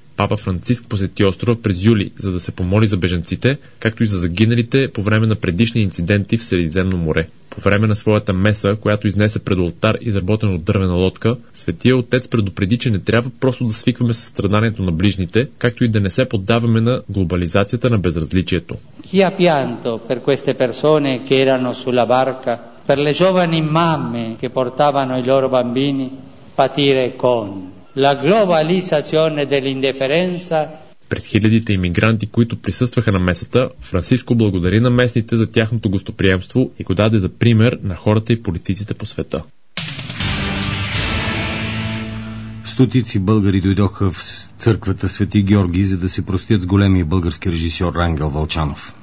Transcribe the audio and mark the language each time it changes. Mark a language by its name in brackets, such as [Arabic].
[Bulgarian] Папа Франциск посети острова през юли, за да се помоли за бежанците, както и за загиналите по време на предишни инциденти в Средиземно море. По време на своята меса, която изнесе пред алтар, изработен от дървена лодка, светия отец предупреди, че не трябва просто да свикваме със страданието на ближните, както и да не се поддаваме на глобализацията на безразличието. [Italian] Chi ha pianto per queste persone che erano sulla barca, per le giovani mamme che portavano i loro bambini, patire con la globalizzazione dell'indifferenza. [Bulgarian] Пред хилядите имигранти, които присъстваха на месата, Франциско благодари на местните за тяхното гостоприемство и го даде за пример на хората и политиците по света. Стотици българи дойдоха в църквата Свети Георги, за да се простят с големия български режисьор Рангел Вълчанов.